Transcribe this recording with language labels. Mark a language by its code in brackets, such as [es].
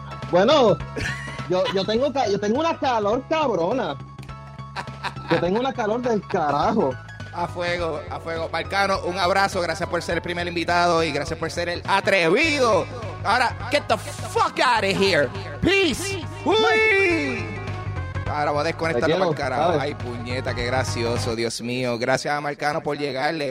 [es] Bueno, yo tengo una calor cabrona. Yo tengo una calor del carajo. A fuego, Marcano, un abrazo, gracias por ser el primer invitado y gracias por ser el atrevido. [en] Ahora, get the fuck out of here. Peace. Uy. [es] Ahora voy a desconectar a Marcano. Ay, puñeta, qué gracioso, Dios mío. Gracias a Marcano por llegarle.